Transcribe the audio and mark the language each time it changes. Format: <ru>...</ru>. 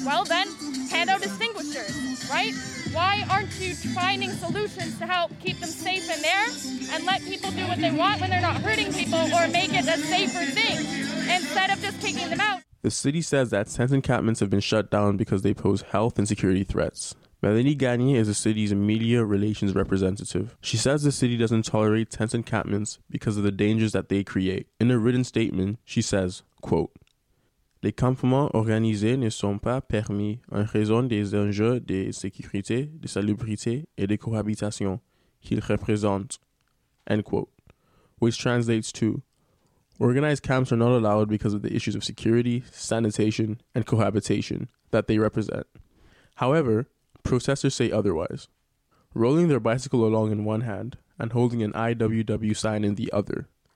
<en>Well, then hand out extinguishers, right? Why aren't you finding solutions to help keep them safe in there and let people do what they want when they're not hurting people, or make it a safer thing instead of just kicking them out? The city says that tent encampments have been shut down because they pose health and security threats. Melanie Gagne is the city's media relations representative. She says the city doesn't tolerate tent encampments because of the dangers that they create. In a written statement, she says, quote,</en> <fr>Les campements organisés ne sont pas permis en raison des enjeux de sécurité, de salubrité et de cohabitation qu'ils représentent,</fr> <en>end quote. Which translates to, organized camps are not allowed because of the issues of security, sanitation, and cohabitation that they represent. However, protesters say otherwise, rolling their bicycle along in one hand and holding an IWW sign in the other.</en>